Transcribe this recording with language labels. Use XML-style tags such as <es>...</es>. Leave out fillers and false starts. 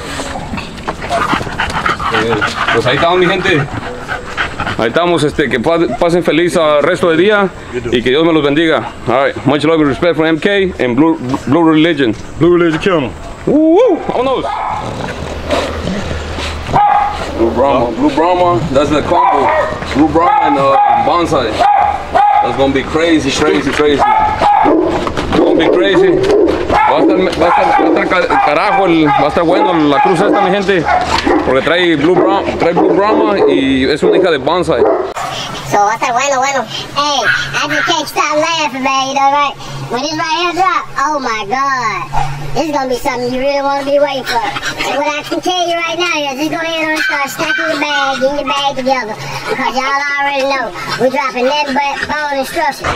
<es>No. Pues ahí estamos, mi gente. Ahí estamos, que pasen feliz el resto del día y que Dios me los bendiga.</es> <en>All right, much love and respect for MK and Blue Religion. Blue Religion, kill them.</en> <es>Woo! Vámonos.</es> <en>Blue Brahma, that's the combo. Blue Brahma and Bonsai. That's gonna be crazy. It's gonna be crazy.</en> <es>Va a estar bueno la cruz esta, mi gente, porque trae Blue Brahma y es una hija de Bonsai. So va a estar bueno.</es> <en>Hey, I just can't stop laughing, man, you know, right? When this right here drop, oh my God, this is gonna be something you really wanna be waiting for. What I can tell you right now is just go ahead and start stacking your bag, getting your bag together, because y'all already know we're dropping nothing but bone and structure.</en>